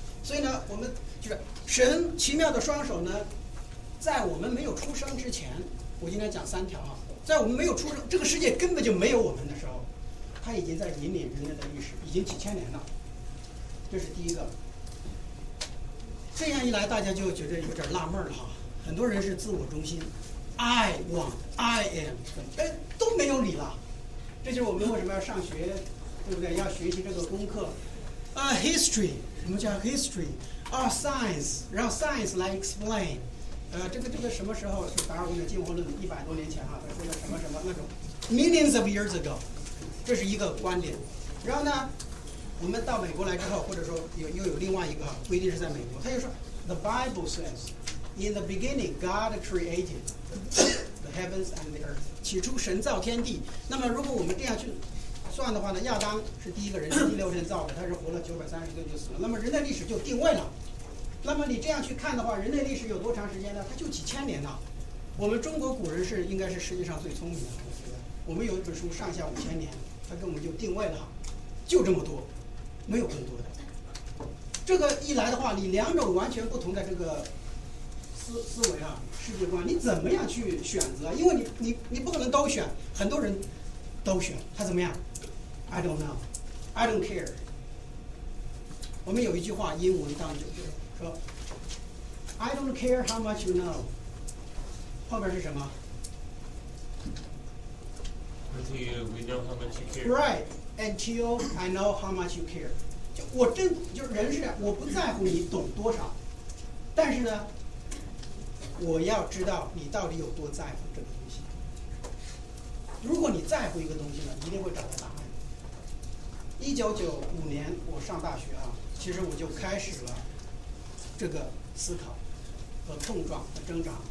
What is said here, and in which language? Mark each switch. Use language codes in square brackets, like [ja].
[zh] 所以呢，我们就是神奇妙的双手呢，在我们没有出生之前，我今天讲三条啊，在我们没有出生，这个世界根本就没有我们的时候，他已经在引领人类的历史，已经几千年了。这是第一个。这样一来，大家就觉得有点纳闷了哈。很多人是自我中心 ， [en] I want, I am， [zh] 哎，都没有理了。这就是我们为什么要上学，对不对？要学习这个功课。 History， 什么叫 history？ 啊 ，science， 让 science 来 explain。这个什么时候是达尔文的进化论100多年前哈、啊？他说的什么什么那种 ， [en] millions of years ago， [zh] 这是一个观点。然后呢，我们到美国来之后，或者说又有另外一个哈，不一定是在美国，他就说 ， [en] The Bible says， in the beginning God created the heavens and the earth， [zh] 起初神造天地。那么如果我们这样去算的话呢，亚当是第一个人，是第六天造的，他是活了930天就死了，那么人类历史就定位了。那么你这样去看的话，人类历史有多长时间呢？它就几千年呢。我们中国古人是应该是世界上最聪明的，我觉得我们有一本书上下5000年，它跟我们就定位了，就这么多，没有更多的。这个一来的话，你两种完全不同的这个思维啊，世界观，你怎么样去选择？因为你不可能都选，很多人都选，他怎么样 ？ [en] I don't know, I don't care。 [zh] 我们有一句话英文当中就是。 [en] I don't care how much you know。 [zh] 后面是什么？ [en] Until we know how much you care。 Right, until I know how much you care。 [zh] 就人是这样，我不在乎你懂多少，但是呢，我要知道你到底有多在乎这个东西。如果你在乎一个东西呢，一定会找到答案。1995年我上大学啊，其实我就开始了这个思考和碰撞和挣扎。